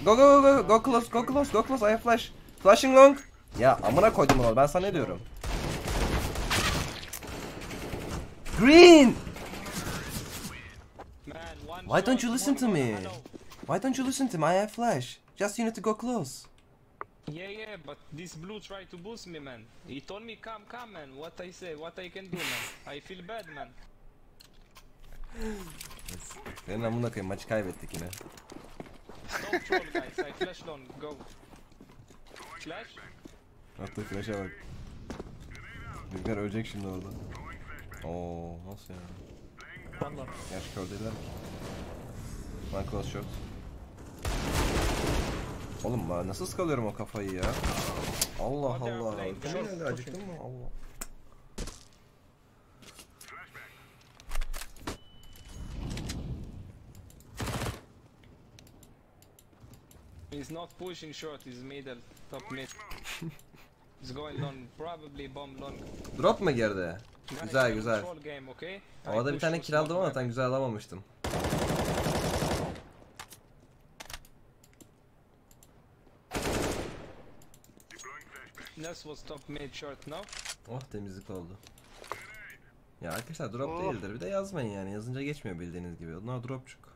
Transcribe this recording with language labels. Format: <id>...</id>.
<en>Go close, go close, I have flash. Flashing long.</en> <tr>Ya amına koydum onu, ben sana ne diyorum.</tr> <en>Green! Why don't you listen to me? Why don't you listen to me? I have flash. Just you need to go close. Yeah, but this blue tried to boost me, man. He told me, come, man. What I say, what I can do, man. I feel bad, man.</en> <tr>Senin amına koyayım, maçı kaybettik yine.</tr> <en>Stop troll, guys. I flash long. Go. Flash?</en> <tr>Attık, flash'a bak. Düzgar ölecek şimdi orada. Ooo, nasıl ya? Valla. Gerçi kör değiller ki. Lan</tr> <en>close shot.</en> <tr>Oğlum ben nasıl skalıyorum o kafayı ya? Allah Allah. Şuraya geldi, acıktın mı? Allah.</tr> <en>He's not pushing short, he's middle, top mid. He's going long, probably bomb long.</en> <tr>Drop mu girdi? Güzel güzel. Havada bir tane kill aldım ama tam güzel alamamıştım.</tr> <en>This was top mid short now.</en> <tr>Oh temizlik oldu. Ya arkadaşlar drop değildir, bir de yazmayın yani, yazınca geçmiyor bildiğiniz gibi. Onlar dropçuk.</tr>